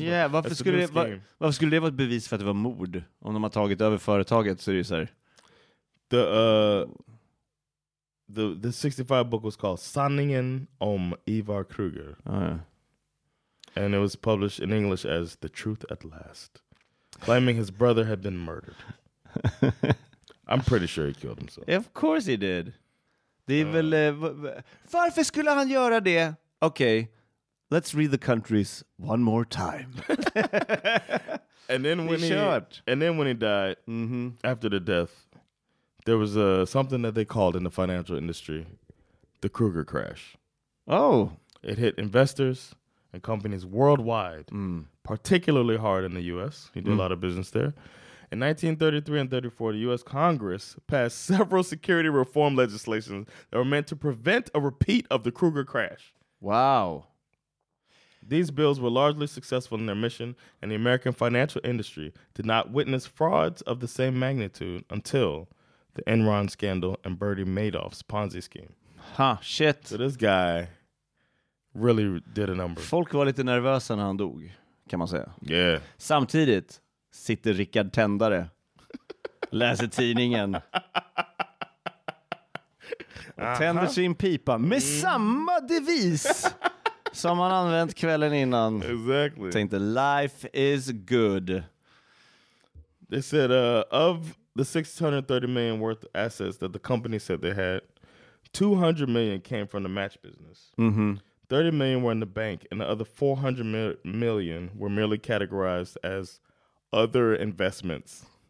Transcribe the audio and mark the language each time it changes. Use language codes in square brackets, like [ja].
[sv] Yeah, varför skulle det vara ett bevis för att det var mord? Om de har tagit över företaget så är det så här. [en] The 65 book was called Sanningen om Ivar Kreuger. Oh, yeah. And it was published in English as The Truth at Last, claiming his brother had been murdered. I'm pretty sure he killed himself. Of course he did. [sv] Det är väl, varför skulle han göra det? [en] Okay, let's read the countries one more time. And then when he died, mm-hmm. After the death, there was something that they called in the financial industry the Kreuger crash. Oh. It hit investors and companies worldwide, particularly hard in the U.S. He did a lot of business there. In 1933 and 34, the U.S. Congress passed several security reform legislations that were meant to prevent a repeat of the Kreuger crash. Wow. These bills were largely successful in their mission, and the American financial industry did not witness frauds of the same magnitude until the Enron scandal and Bernie Madoff's Ponzi scheme. Huh, shit. So this guy really did a number. [sv] Folk var lite nervösa när han dog, kan man säga. [en] Yeah. [sv] Samtidigt sitter Rickard Tändare, läser tidningen, och tänder sin pipa med samma devis som han använt kvällen innan. [en] Exactly. [sv] Tänkte, [en] life is good. They said, of the $630 million worth of assets that the company said they had, $200 million came from the match business. Mm-hmm. $30 million were in the bank, and the other $400 million were merely categorized as other investments.